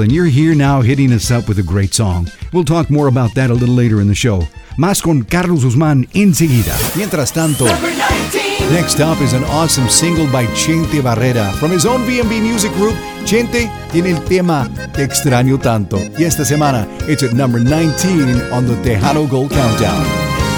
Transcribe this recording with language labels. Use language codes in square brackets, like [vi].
[en] And you're here now hitting us up with a great song. We'll talk more about that a little later in the show. [es] Más con Carlos Guzmán enseguida. Mientras tanto, [en] next up is an awesome single by Chente Barrera from his own B&B Music Group. [es] Chente tiene el tema Te Extraño Tanto. Y esta semana, [en] it's at number 19 on the Tejano Gold Countdown.